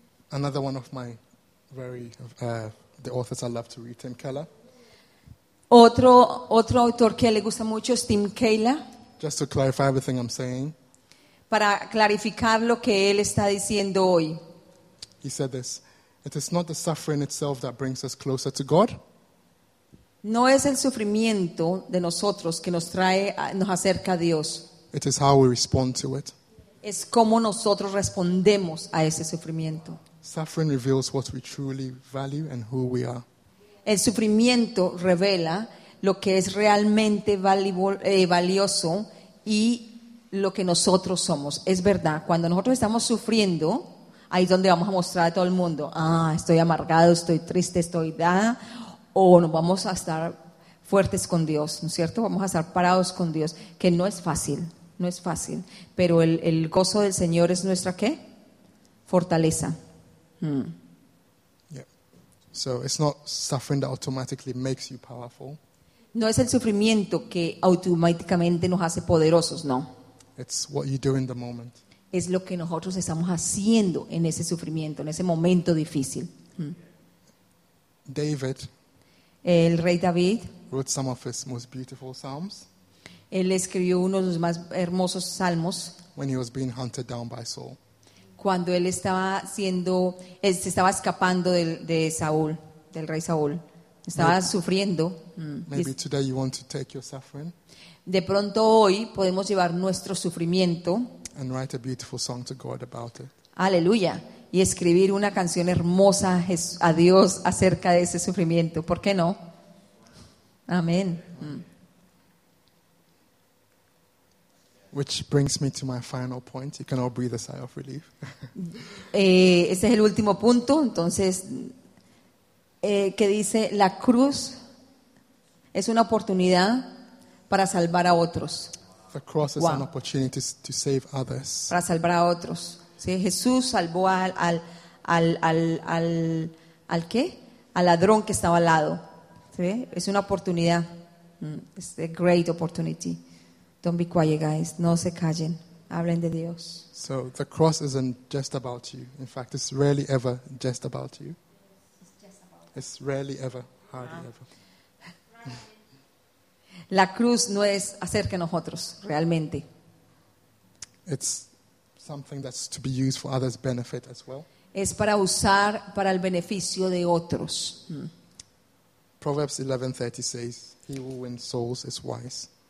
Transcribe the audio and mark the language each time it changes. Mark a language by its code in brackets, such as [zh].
[en] Another one of my very, the authors I love to read, Tim Keller. [es] Otro autor que le gusta mucho es Tim Keller. [en] Just to clarify everything I'm saying. [es] Para clarificar lo que él está diciendo hoy. [en] He said this, it is not the suffering itself that brings us closer to God. [es] No es el sufrimiento de nosotros que nos trae, nos acerca a Dios. [en] It is how we respond to it. [es] Es cómo nosotros respondemos a ese sufrimiento. [en] Suffering reveals what we truly value and who we are. [es] El sufrimiento revela lo que es realmente valioso y lo que nosotros somos. Es verdad, cuando nosotros estamos sufriendo, ahí es donde vamos a mostrar a todo el mundo, estoy amargado, estoy triste, estoy dada, o nos vamos a estar fuertes con Dios, ¿no es cierto? Vamos a estar parados con Dios, que no es fácil, no es fácil, pero el gozo del Señor es nuestra, ¿qué? Fortaleza. [en] Yeah. So it's not suffering that automatically makes you powerful. [es] No es el sufrimiento que automáticamente nos hace poderosos, no. [en] It's what you do in the moment. [es] Es lo que nosotros estamos haciendo en ese sufrimiento, en ese momento difícil. [en] David. [es] El rey David. [en] Wrote some of his most beautiful psalms. [es] Él escribió uno de los más hermosos salmos. [en] When he was being hunted down by Saul. [es] Cuando él estaba siendo, él se estaba escapando de Saúl, del rey Saúl. Estaba sufriendo. [en] Maybe today you want to take your suffering. [es] De pronto hoy podemos llevar nuestro sufrimiento. [en] And write a beautiful song to God about it. [es] Aleluya. Y escribir una canción hermosa a Dios acerca de ese sufrimiento. ¿Por qué no? Amén. [en] Which brings me to my final point. You can all breathe a sigh of relief. [es] Ese es el último punto. Entonces, que dice la cruz es una oportunidad para salvar a otros. [en] The cross is an opportunity to save others. [es] Para salvar a otros. Sí, Jesús salvó al qué? Al ladrón que estaba al lado. ¿Sí? Es una oportunidad. [en] It's a great opportunity. Don't be quiet, guys. [es] No se callen. Hablen de Dios. [en] So the cross isn't just about you. In fact, it's rarely ever just about you. It's rarely ever, hardly ever. [es] La cruz no es acerca de nosotros, realmente. [en] It's something that's to be used for others' benefit as well. [es] Es para usar para el beneficio de otros. [en] Proverbs 11:30 says, "He who wins souls is wise."